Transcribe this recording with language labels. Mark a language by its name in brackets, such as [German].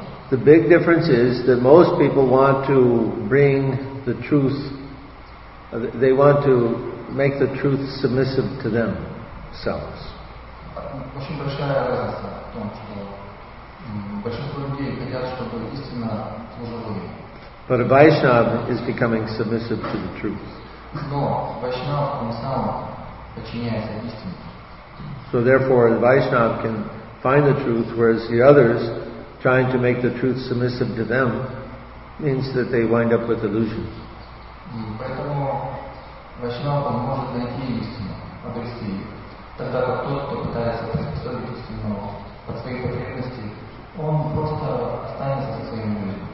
[English] The big difference is that most people want to bring the truth, they want to make the truth submissive to themselves. Mm-hmm. But a Vaishnava is becoming submissive to the truth. [Russian] Но Вайшнав он сам подчиняется истине. [English] So therefore, the Vaishnav can find the truth, whereas the others, trying to make the truth submissive to them, means that they wind up with illusions. [Russian] Поэтому Вайшнав он может найти истину, обрести ее. Тогда как тот, кто пытается приспособить истину под свои потребности, он просто останется со своим иллюзией.